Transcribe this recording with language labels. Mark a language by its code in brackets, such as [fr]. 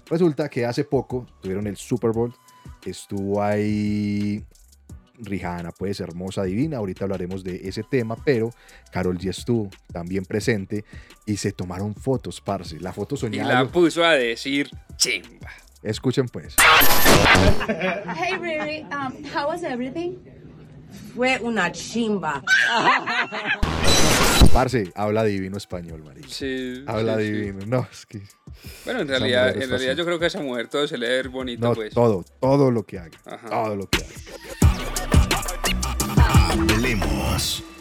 [es] Resulta que hace poco tuvieron el Super Bowl, estuvo ahí Rihanna, pues hermosa, divina, ahorita hablaremos de ese tema, pero Karol G estuvo también presente y se tomaron fotos, parce, la foto soñada. Y la puso a decir chimba. Escuchen pues. [en] Hey Riri, how was everything? [es] Fue una chimba. Parce, habla divino español, marica. Sí. Habla sí, divino. Sí. No, es que... Bueno, en realidad yo creo que a esa mujer todo se le ve bonito, no, pues. Todo lo que haga. Ajá. Todo lo que haga. Hablemos.